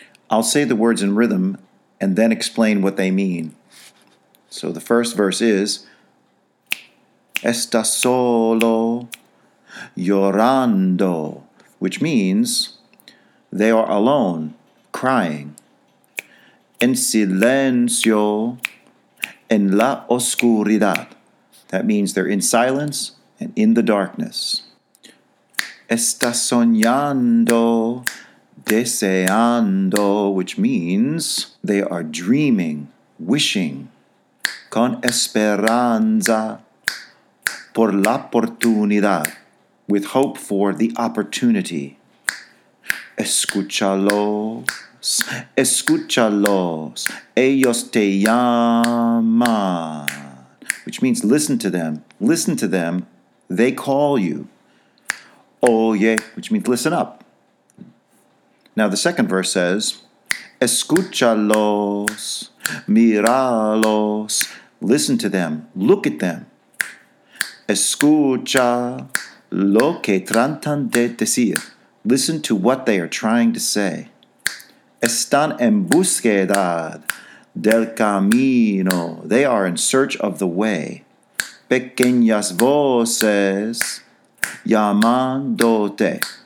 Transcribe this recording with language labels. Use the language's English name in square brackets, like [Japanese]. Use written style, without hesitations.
[English] I'll say the words in rhythm and then explain what they mean. So the first verse is, [Spanish] Estás solo, llorando, [English] which means, they are alone, crying. [Spanish] En silencio, en la oscuridad. [English] That means they're in silence and in the darkness. [Spanish] Estás soñando, deseando, [English] which means, they are dreaming, wishing. [Spanish] Con esperanza por la oportunidad, [English] with hope for the opportunity. [Spanish] Escúchalos, escúchalos, ellos te llaman, [English] which means listen to them, they call you. [Spanish] Oye, [English] which means listen up. Now the second verse says, [Spanish] Escúchalos, míralos. [English] Listen to them. Look at them. [Spanish] Escucha lo que tratan de decir. [English] Listen to what they are trying to say. [Spanish] Están en búsqueda del camino. [English] They are in search of the way. [Spanish] Pequeñas voces llamándote.